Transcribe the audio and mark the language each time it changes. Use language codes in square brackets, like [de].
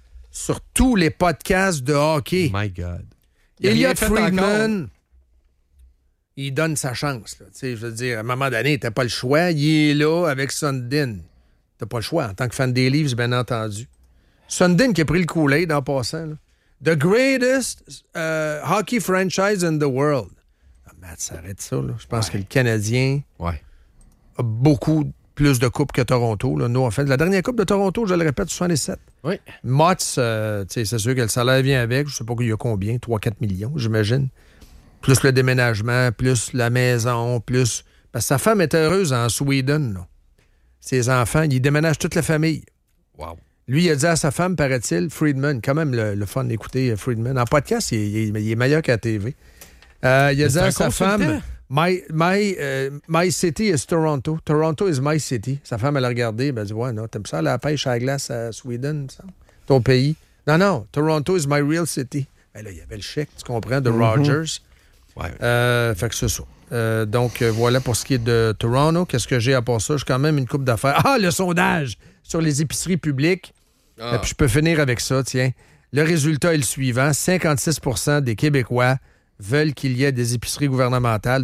[fr] sur tous les podcasts de hockey. [en] My God. [fr] Elliot Friedman, il donne sa chance. Là. Je veux dire, à un moment donné, t'as pas le choix. Il est là avec Sundin. T'as pas le choix, en tant que fan des Leafs, bien entendu. Sundin qui a pris le Kool-Aid en passant. Là. [en] The greatest hockey franchise in the world. [fr] Ah, Matt, ça arrête ça. Je pense que le Canadien a beaucoup plus de coupes que Toronto. Là. Nous, en fait, la dernière coupe de Toronto, je le répète, 77. Oui. Motz, c'est sûr que le salaire vient avec. Je ne sais pas qu'il y a combien, 3-4 millions, j'imagine. Plus le déménagement, plus la maison, plus... Parce que sa femme est heureuse en Sweden. Là. Ses enfants, il déménage toute la famille. Wow. Lui, il a dit à sa femme, paraît-il, Friedman, quand même le fun d'écouter Friedman. En podcast, il est meilleur qu'à la TV. Il a dit à sa femme, [en] my city is Toronto. Toronto is my city. [fr] Sa femme, elle a regardé. Elle a dit, ouais, non, t'aimes ça, la pêche à la glace à Sweden, ça, ton pays. Non, non, [en] Toronto is my real city. [fr] Ben là, il y avait le chèque, tu comprends, de Rogers. Mm-hmm. Ouais. Fait que c'est ça. Donc, voilà pour ce qui est de Toronto. Qu'est-ce que j'ai à part ça? J'ai quand même une coupe d'affaires. Ah, le sondage sur les épiceries publiques. Ah. Et puis, je peux finir avec ça, tiens. Le résultat est le suivant. 56% des Québécois veulent qu'il y ait des épiceries gouvernementales.